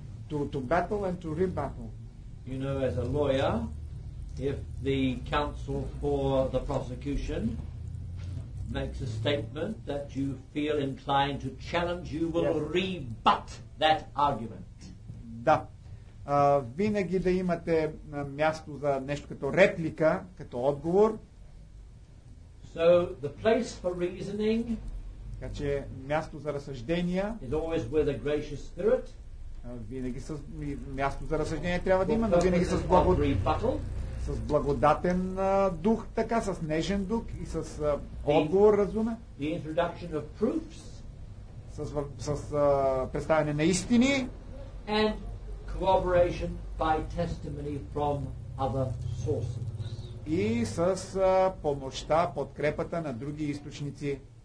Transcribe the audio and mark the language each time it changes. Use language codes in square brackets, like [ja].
[en] To battle and to rebuttal. You know, as a lawyer, if the counsel for the prosecution makes a statement that you feel inclined to challenge, you will rebut that argument. [bg] Да. Винаги да имате място за нещо като реплика, като отговор. [en] So the place for reasoning, [bg] така че място за разсъждения, [en] is always with a gracious spirit. [bg] Винаги с място за разсъждение трябва да има, но винаги с благодатен дух, така, с нежен дух и с отговор, разуме. [en] The introduction of proofs, [bg] с представяне на истини. [en] And corroboration by testimony from other sources. [bg] И с помощта, подкрепата на други източници.